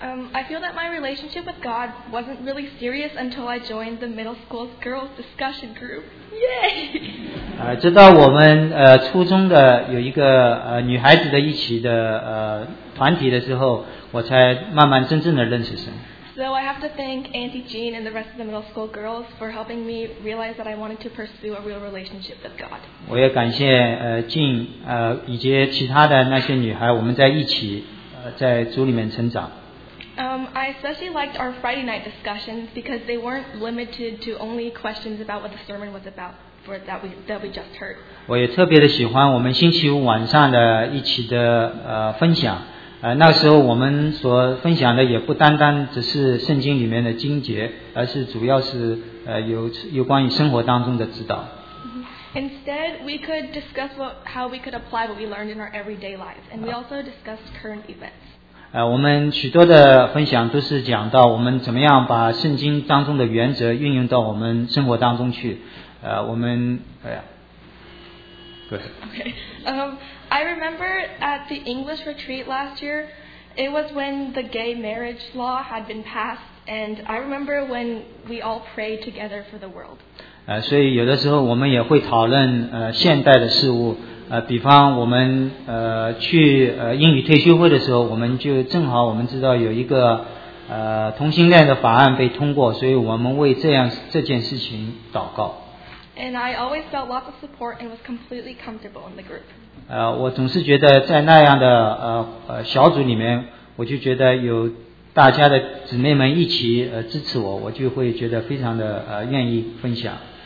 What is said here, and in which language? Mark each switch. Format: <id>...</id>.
<en>I feel that my relationship with God wasn't really serious until I joined the middle school girls discussion group. Yay!</en> <zh>直到我们初中的有一个女孩子的一起的团体的时候，我才慢慢真正的认识神。</zh> <en>So I have to thank Auntie Jean and the rest of the middle school girls for helping me realize that I wanted to pursue a real relationship with God.</en> <zh>我也感谢Jean以及其他的那些女孩，我们在一起在主里面成长。</zh> <en>I especially liked our Friday night discussions because they weren't limited to only questions about what the sermon was about for that we just heard.</en> <zh>我也特别的喜欢我们星期五晚上的一起的分享。那时候我们所分享的也不单单只是圣经里面的经节，而是主要是有关于生活当中的指导。</zh> <en>Instead, we could discuss how we could apply what we learned in our everyday lives, and we also discussed current events.</en> <zh>我们许多的分享都是讲到我们怎么样把圣经当中的原则运用到我们生活当中去。我们对。</zh> <en>Okay. I remember at the English retreat last year, it was when the gay marriage law had been passed, and I remember when we all prayed together for the world.</en> <zh>所以有的时候我们也会讨论现代的事物。比方我们去英语退休会的时候，我们就正好我们知道有一个同性恋的法案被通过，所以我们为这件事情祷告。</zh> <en>And I always felt lots of support and was completely comfortable in the group.</en> <zh>我总是觉得在那样的小组里面，我就觉得有大家的姊妹们一起支持我，我就会觉得非常的愿意分享。</zh>